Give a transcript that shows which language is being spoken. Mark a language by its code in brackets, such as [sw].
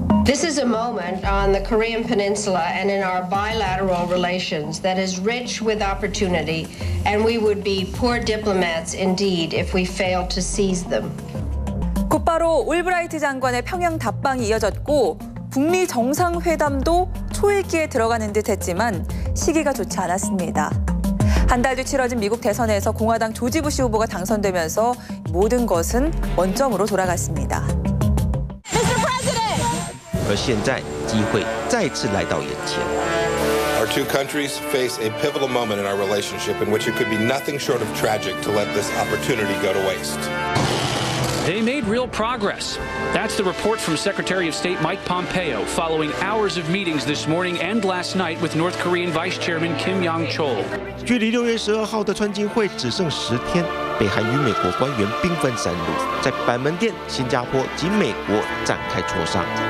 [en] This is a moment on the Korean Peninsula and in our bilateral relations that is rich with opportunity, and we would be poor diplomats indeed if we failed to seize them. [ko] 곧바로 올브라이트 장관의 평양 답방이 이어졌고 북미 정상회담도 초읽기에 들어가는 듯했지만 시기가 좋지 않았습니다. 한 달 뒤 치러진 미국 대선에서 공화당 조지 부시 후보가 당선되면서 모든 것은 원점으로 돌아갔습니다. [en] Mr. President! [zh] 而现在机会再次来到眼前。 [en] Our two countries face a pivotal moment in our relationship in which it could be nothing short of tragic to let this opportunity go to waste. They made real progress. That's the report from Secretary of State Mike Pompeo following hours of meetings this morning and last night with North Korean Vice Chairman Kim Yong-chol. [zh] 距离 6月 12号 的川金会只剩10天， 北韩与美国官员兵分三路， 在板门店， 新加坡及美国展开磋商。